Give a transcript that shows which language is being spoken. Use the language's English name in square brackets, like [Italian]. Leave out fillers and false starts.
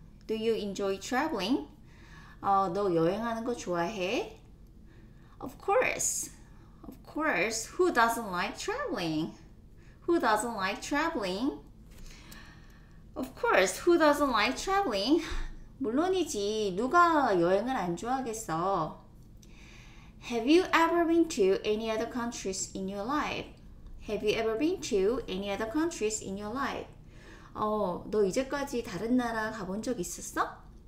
[English] Do you enjoy traveling? [Korean] 너 여행하는 거 좋아해? [English] Of course. Of course. Who doesn't like traveling? Who doesn't like traveling? Of course. Who doesn't like traveling? [Korean] 물론이지. 누가 여행을 안 좋아하겠어? [English] Have you ever been to any other countries in your life? Have you ever been to any other countries in your life? [Korean] 너 이제까지 다른 나라 가본 적 있었어?